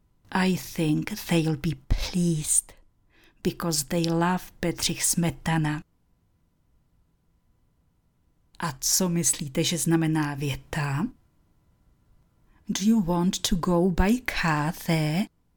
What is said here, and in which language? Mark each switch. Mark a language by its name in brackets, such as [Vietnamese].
[English] I think they'll be pleased, because they love Bedřich Smetana. [Czech] A co myslíte, že znamená věta? [English] Do you want to go by car there?